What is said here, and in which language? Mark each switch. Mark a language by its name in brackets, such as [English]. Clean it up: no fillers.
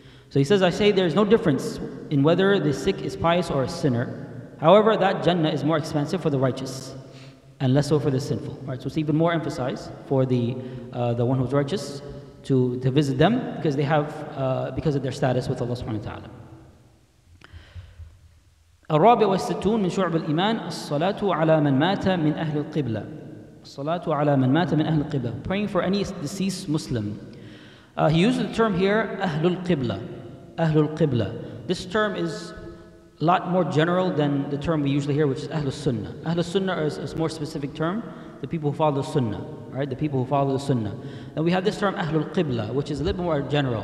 [English] So he says, I say there is no difference in whether the sick is pious or a sinner. However, that Jannah is more expensive for the righteous and less so for the sinful. Right? So it's even more emphasized for the one who's righteous to visit them, because they have because of their status with Allah subhanahu wa ta'ala. [Arabic] الرابع والستون من شعب الإيمان الصلاة على من مات من أهل القبلة الصلاة على من مات من أهل القبلة. [English] Praying for any deceased Muslim. He uses the term here, أهل القبلة. [Arabic] أهل القبلة. [English] This term is a lot more general than the term we usually hear, which is أهل السنة. أهل السنة is a more specific term, the people who follow the سنة, right? The people who follow the سنة. And we have this term, أهل القبلة, which is a little more general.